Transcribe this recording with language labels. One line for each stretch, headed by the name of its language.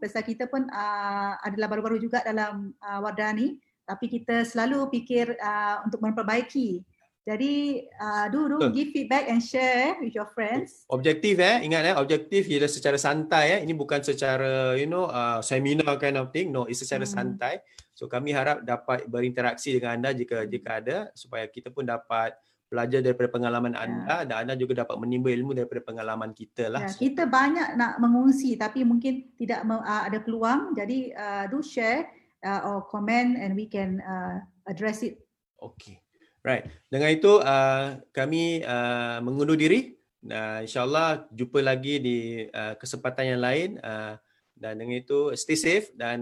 Malay: Pasal kita pun adalah baru-baru juga dalam wadah ni, tapi kita selalu fikir untuk memperbaiki.
English: Jadi do give feedback and share with your friends.
Malay: Objektif objektif ialah secara santai. Ini bukan secara seminar
English: kind of thing. No, it's
Malay: secara santai. So kami harap dapat berinteraksi dengan anda jika ada, supaya kita pun dapat belajar daripada pengalaman anda dan anda juga dapat menimba ilmu daripada pengalaman kita lah. So, kita banyak nak mengungsi tapi mungkin tidak ada peluang.
English: Jadi do share or comment and we can address it. Okay. Right.
Malay: Dengan itu kami mengundur diri. InsyaAllah jumpa lagi di kesempatan yang lain. Dan dengan itu
English: stay safe
Malay: dan selamat malam.